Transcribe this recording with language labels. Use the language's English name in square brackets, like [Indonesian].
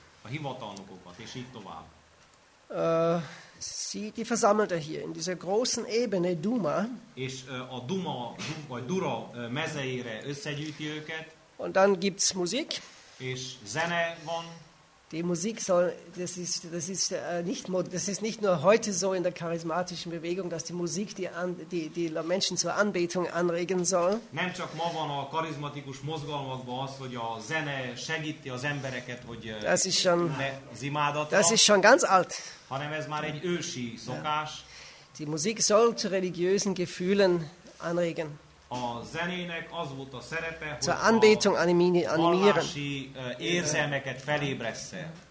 [Hungarian] A hivatalnokokat, és így tovább. [German] Die versammelt er hier in dieser großen Ebene Duma. [Hungarian] És a Duma vagy Dura mezeire összegyűjti őket. [German] Und dann gibt's Musik. [Hungarian] És zene van. [German] Die Musik soll, das ist nicht nur heute so in der charismatischen Bewegung, dass die Musik die Menschen zur Anbetung anregen soll. [Hungarian] Nem csak ma van a karizmatikus mozgalmakban az, hogy a zene segíti az embereket, hogy az imádatra. [German] Das ist schon ganz alt. [Hungarian] Hanem ez már egy ősi szokás. [German] Ja. Die Musik soll zu religiösen Gefühlen anregen. [Hungarian] A zenének az volt a szerepe, hogy [German] zur Anbetung animieren. [Hungarian] Vallási érzelmeket felébressze.